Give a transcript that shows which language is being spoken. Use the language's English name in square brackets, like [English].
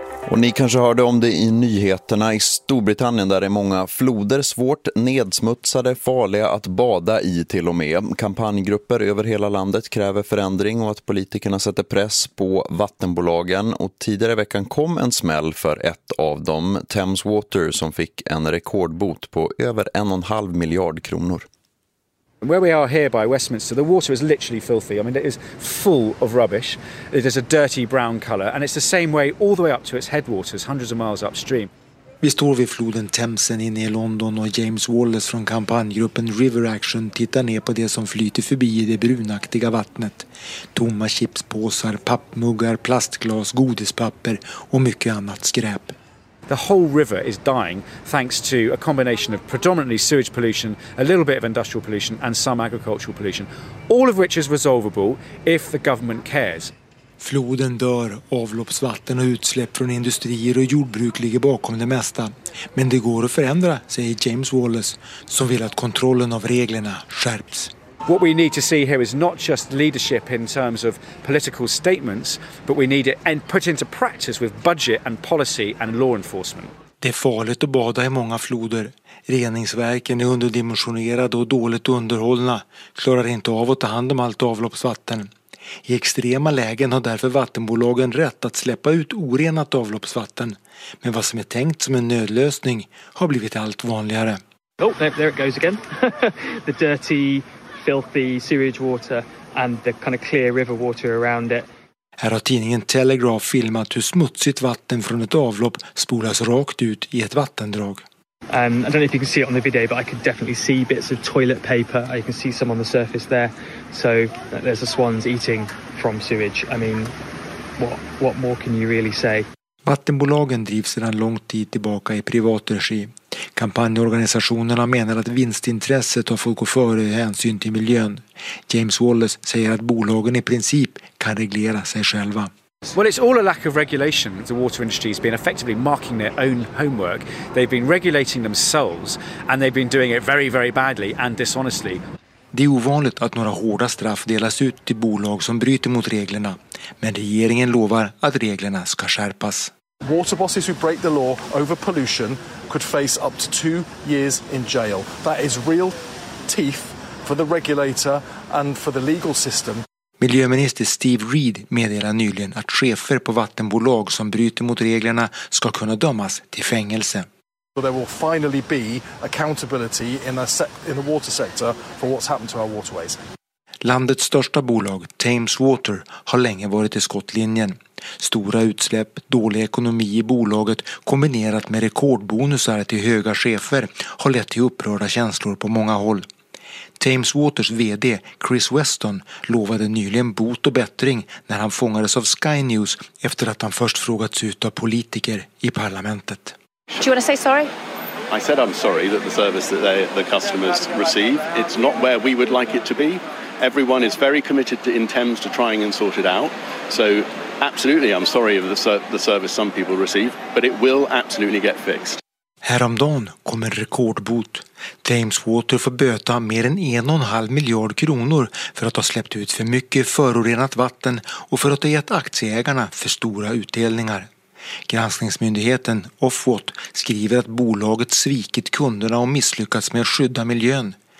[Swedish] Och ni kanske hörde om det i nyheterna i Storbritannien där det är många floder svårt nedsmutsade, farliga att bada i till och med. Kampanjgrupper över hela landet kräver förändring och att politikerna sätter press på vattenbolagen. Och tidigare i veckan kom en smäll för ett av dem, Thames Water, som fick en rekordbot på över 1,5 miljard kronor. [English] Where we are here by Westminster, the water is literally filthy. I mean, it is full of rubbish. It is a dirty brown colour, and it's the same way all the way up to its headwaters, hundreds of miles upstream. [Swedish] Vi står vid floden Themsen inne i London och James Wallace från kampanjgruppen River Action tittar ner på det som flyter förbi i det brunaktiga vattnet. Tomma chipspåsar, pappmuggar, plastglas, godispapper och mycket annat skräp. [English] The whole river is dying thanks to a combination of predominantly sewage pollution, a little bit of industrial pollution and some agricultural pollution, all of which is resolvable if the government cares. [Swedish] Floden dör, avloppsvatten och utsläpp från industrier och jordbruk ligger bakom det mesta. Men det går att förändra, säger James Wallace, som vill att kontrollen av reglerna skärps. [English] What we need to see here is not just leadership in terms of political statements, but we need it and put into practice with budget and policy and law enforcement. [Swedish] Det är farligt att bada i många floder. Reningsverken är underdimensionerade och dåligt underhållna. Klarar inte av att ta hand om allt avloppsvatten. I extrema lägen har därför vattenbolagen rätt att släppa ut orenat avloppsvatten. Men vad som är tänkt som en nödlösning har blivit allt vanligare. [English] Oh, there it goes again. The dirty, filthy sewage water and the kind of clear river water around it. [Swedish] Här har tidningen Telegraph filmat hur smutsigt vatten från ett avlopp spolas rakt ut i ett vattendrag. [English] I don't know if you can see it on the video, but I can definitely see bits of toilet paper. You can see some on the surface there. So there's a swans eating from sewage. I mean, what more can you really say? [Swedish] Vattenbolagen drivs sedan lång tid tillbaka i privat regi. Kampanjorganisationerna menar att vinstintresset har fått gå före hänsyn till miljön. James Wallace säger att bolagen i princip kan reglera sig själva. [English] Well, it's all a lack of regulation. The water industry has been effectively marking their own homework. They've been regulating themselves and they've been doing it very, very badly and dishonestly. [Swedish] Det är ovanligt att några hårda straff delas ut till bolag som bryter mot reglerna. Men regeringen lovar att reglerna ska skärpas. [English] Water bosses who break the law over pollution could face up to 2 years in jail. That is real teeth for the regulator and for the legal system. [Swedish] Miljöminister Steve Reed meddelade nyligen att chefer på vattenbolag som bryter mot reglerna ska kunna dömas till fängelse. [English] But there will finally be accountability in the water sector for what's happened to our waterways. [Swedish] Landets största bolag, Thames Water, har länge varit i skottlinjen. Stora utsläpp, dålig ekonomi i bolaget kombinerat med rekordbonusar till höga chefer har lett till upprörda känslor på många håll. Thames Waters vd Chris Weston lovade nyligen bot och bättring när han fångades av Sky News efter att han först frågats ut av politiker i parlamentet. [English] Do you want to say sorry? I said I'm sorry that the service that the customers receive, it's not where we would like it to be. Everyone is very committed in Thames to trying and sort it out. So absolutely I'm sorry of the service some people receive, but it will absolutely get fixed. [Swedish] Häromdagen kom en rekordbot. Thames Water får böta mer än 1,5 miljard kronor för att ha släppt ut för mycket förorenat vatten och för att ha gett aktieägarna för stora utdelningar. Granskningsmyndigheten Ofwat skriver att bolaget svikit kunderna och misslyckats med att skydda miljön.